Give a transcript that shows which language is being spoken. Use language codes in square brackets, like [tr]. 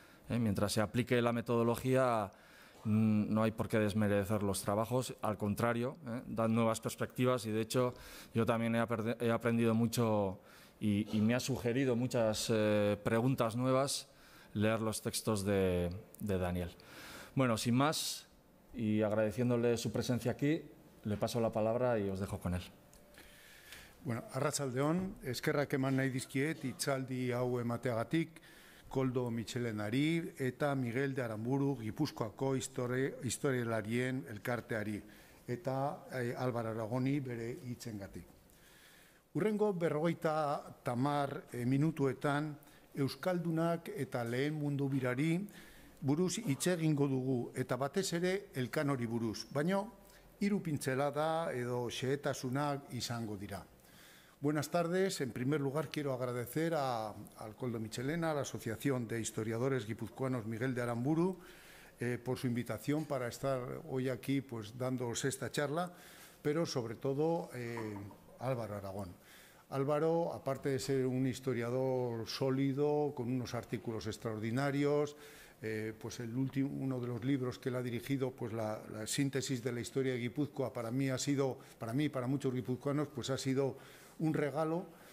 [es] Mientras se aplique la metodología, no hay por qué desmerecer los trabajos, al contrario, dan nuevas perspectivas, y de hecho yo también he aprendido mucho y me ha sugerido muchas preguntas nuevas leer los textos de Daniel. Bueno, sin más, y agradeciéndole su presencia aquí, le paso la palabra y os dejo con él. [eu] Bueno, arratsaldeon, eskerrak eman nahi dizkiet itzaldi hau emateagatik, Koldo Mitxelenari eta Miguel de Aramburu Gipuzkoako historialarien elkarteari eta Álvaro Aragoni bere hitzengatik. Urrengo 50 minutuetan euskaldunak eta lehen mundu birari buruz hitz egingo dugu, eta batez ere Elkanori buruz, baino hiru pintzelada edo xehetasunak izango dira. [es] Buenas tardes. En primer lugar, quiero agradecer al Koldo Mitxelena, a la Asociación de Historiadores Guipuzcoanos Miguel de Aramburu, por su invitación para estar hoy aquí, pues, dándoos esta charla, pero sobre todo Álvaro Aragón. Álvaro, aparte de ser un historiador sólido, con unos artículos extraordinarios, pues el último, uno de los libros que él ha dirigido, pues la síntesis de la historia de Guipúzcoa, para muchos guipuzcoanos, pues ha sido un regalo.